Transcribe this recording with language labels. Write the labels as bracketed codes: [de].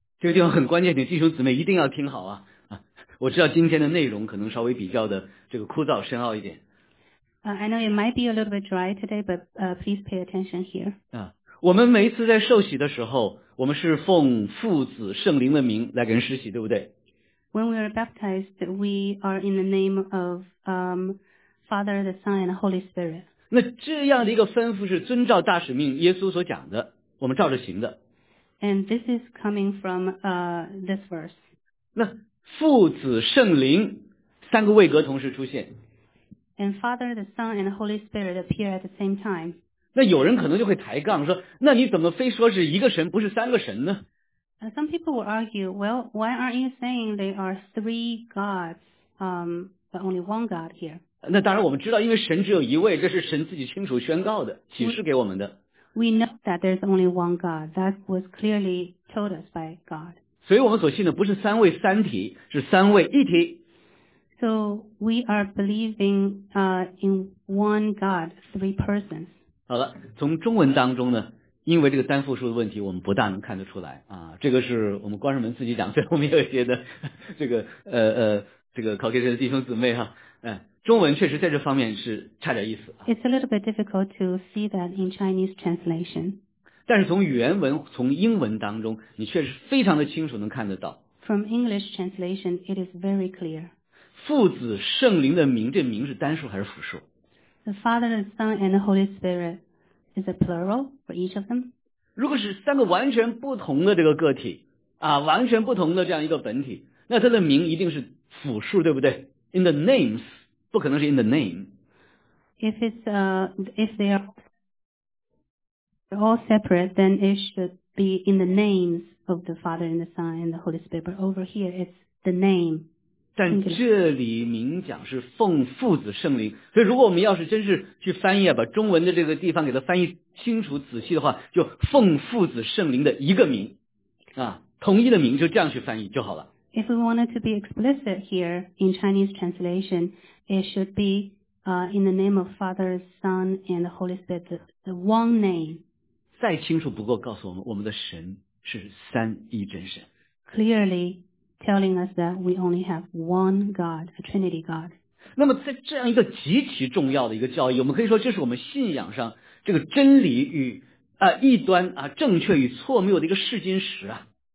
[zh] 这个地方很关键，你弟兄姊妹一定要听好啊！我知道今天的内容可能稍微比较的这个枯燥深奥一点。 [en] I know it might be a little bit dry today, but please pay attention here. [zh] 我们每一次在受洗的时候，我们是奉父子圣灵的名来给人施洗，对不对？ [en] When we are baptized, we are in the name of Father, the Son, and the Holy Spirit. [zh] 那这样的一个吩咐是遵照大使命耶稣所讲的，我们照着行的。 [en] And this is coming from this verse. [zh] 那父子圣灵三个位格同时出现。 [en] And Father, the Son, and the Holy Spirit appear at the same time. [zh] 那有人可能就会抬杠说，那你怎么非说是一个神不是三个神呢？ [en] Some people will argue, well, why aren't you saying there are three gods, but only one God here? [zh] 那当然我们知道，因为神只有一位，这是神自己清楚宣告的，启示给我们的。 [en] We know that there's only one God. That was clearly told us by God. [zh] 所以我们所信的不是三位三体，是三位一体。 [en] So we are believing, in one God, three persons. [zh] 好了，从中文当中呢，因为这个单复数的问题，我们不大能看得出来啊。这个是我们关上门自己讲，所以我们有一些的这个 Caucasian 弟兄姊妹哈，中文确实在这方面是差点意思。 [en] It's a little bit difficult to see that in Chinese translation. [zh] 但是从原文，从英文当中，你确实非常的清楚能看得到。 [en] From English translation, it is very clear. [zh] 父子圣灵的名，这名是单数还是复数？ [en] The Father, the Son, and the Holy Spirit is a plural for each of them. [zh] 如果是三个完全不同的这个个体啊，完全不同的这样一个本体，那它的名一定是复数，对不对 ？ [en] In the names, [zh] 不可能是 [en] in the name. If they are all separate, then it should be in the names of the Father and the Son and the Holy Spirit. But over here, it's the name. [zh] 但这里明讲是奉父子圣灵，所以如果我们要是真是去翻译，把中文的这个地方给它翻译清楚仔细的话，就奉父子圣灵的一个名啊，同一的名，就这样去翻译就好了。 [en] If we wanted to be explicit here in Chinese translation, it should be in the name of Father, Son, and the Holy Spirit, the one name. [zh] 再清楚不过告诉我们，我们的神是三一真神。 [en] Clearly. Telling us that we only have one God, a Trinity God. [zh] 那么在这样一个极其重要的一个教义，我们可以说这是我们信仰上这个真理与异端啊正确与错谬的一个试金石啊。